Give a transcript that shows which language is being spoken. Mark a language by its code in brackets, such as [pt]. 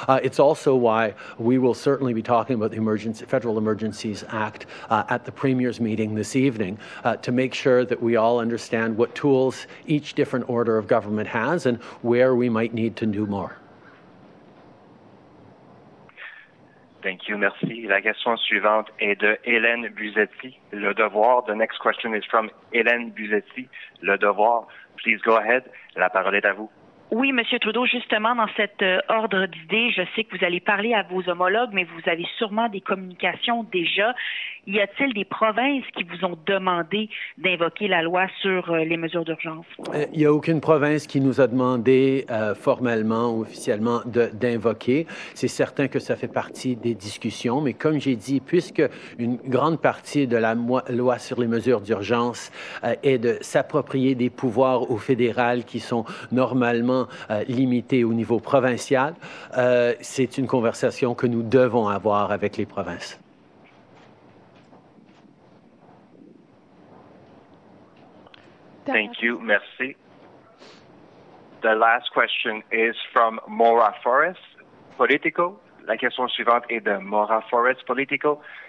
[en] It's also why we will certainly be talking about the Federal Emergencies Act at the Premier's meeting this evening to make sure that we all understand what tools each different order of government has and where we might need to do more. Thank you. [fr] Merci. La question suivante est de Hélène Buzetti, Le Devoir. [en] The next question is from Hélène Buzetti, Le Devoir. Please go ahead. [fr] La parole est à vous. Oui, Monsieur Trudeau, justement, dans cet ordre d'idées, je sais que vous allez parler à vos homologues, mais vous avez sûrement des communications déjà. Y a-t-il des provinces qui vous ont demandé d'invoquer la loi sur les mesures d'urgence? Il n'y a aucune province qui nous a demandé formellement ou officiellement d'invoquer. C'est certain que ça fait partie des discussions, mais comme j'ai dit, puisque une grande partie de la loi sur les mesures d'urgence est de s'approprier des pouvoirs au fédéral qui sont normalement limités au niveau provincial, c'est une conversation que nous devons avoir avec les provinces. [en] Thank you. [fr] Merci. [en] The last question is from Maura Forrest, Politico. [fr] La question suivante est de Maura Forrest, Politico.